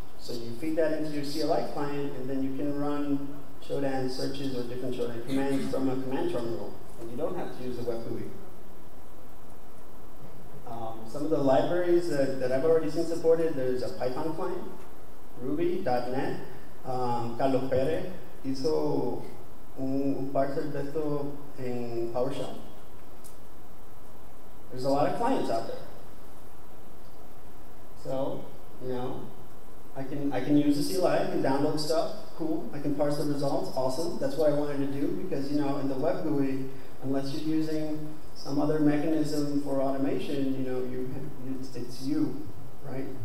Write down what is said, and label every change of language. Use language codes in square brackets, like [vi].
[en] So you feed that into your CLI client, and then you can run Shodan searches or different Shodan commands from a command terminal, and you don't have to use the web GUI. Some of the libraries that I've already seen supported, there's a Python client, ruby.net. [es] Carlos Pérez hizo un parser de esto en PowerShell. [en] There's a lot of clients out there. So, you know, I can use the CLI, I can download stuff, cool. I can parse the results, awesome. That's what I wanted to do because, you know, in the web GUI, unless you're using some other mechanism for automation, you know, it's you, right?